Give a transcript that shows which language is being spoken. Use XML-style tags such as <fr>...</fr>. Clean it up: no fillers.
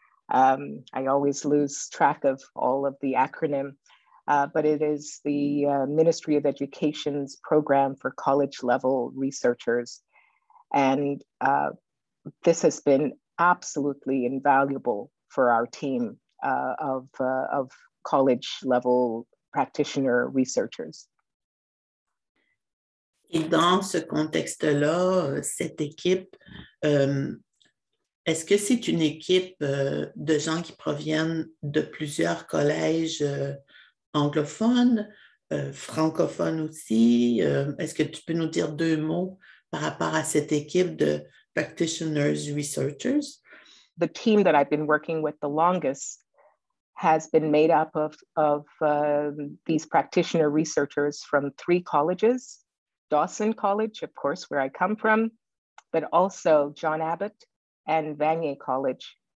<en>I always lose track of all of the acronym, but it is the Ministry of Education's program for college level researchers. And this has been absolutely invaluable for our team of college level practitioner researchers.</en> <fr>Et dans ce contexte-là, cette équipe, est-ce que c'est une équipe de gens qui proviennent de plusieurs collèges anglophones, francophones aussi? Est-ce que tu peux nous dire deux mots par rapport à cette équipe de</fr> <en>practitioners researchers? The team that I've been working with the longest has been made up of these practitioner researchers from three colleges. Dawson College, of course, where I come from, but also John Abbott and Vanier College.</en>